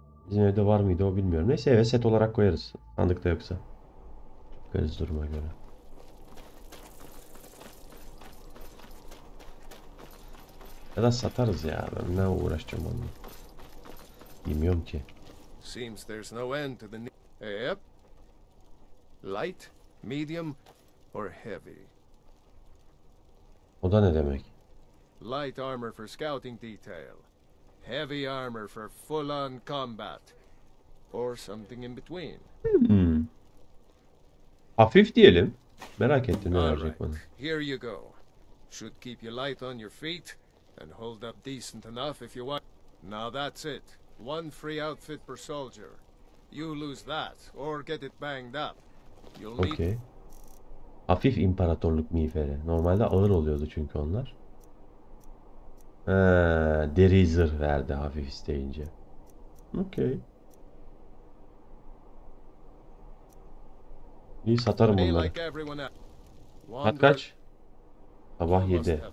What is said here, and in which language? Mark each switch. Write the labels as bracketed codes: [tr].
[tr] Bizim evde var mıydı o bilmiyorum. Neyse eve set olarak koyarız. Sandıkta yoksa. Bakarız duruma göre. Ya da satarız ya. Ben ne uğraşacağım onunla. Bilmiyorum ki. [en] Seems there's no end to the yep. Light, medium or heavy. [tr] O da ne demek? [en] Light armor for scouting detail. Heavy armor for full-on combat. Or something in between. [tr] Hmm. Hafif diyelim. Merak ettim ne olacak bana. [en] Here you go. Should keep you light on your feet and hold up decent enough if you want. Now that's it. One free outfit per soldier. You lose that or get it banged up. You'll need... Okay. [tr] Hafif imparatorluk miğferi. Normalde ağır oluyordu çünkü onlar. Deri zırh verdi hafif isteyince. Okey. İyi, satarım bunları. Saat kaç? Sabah 7.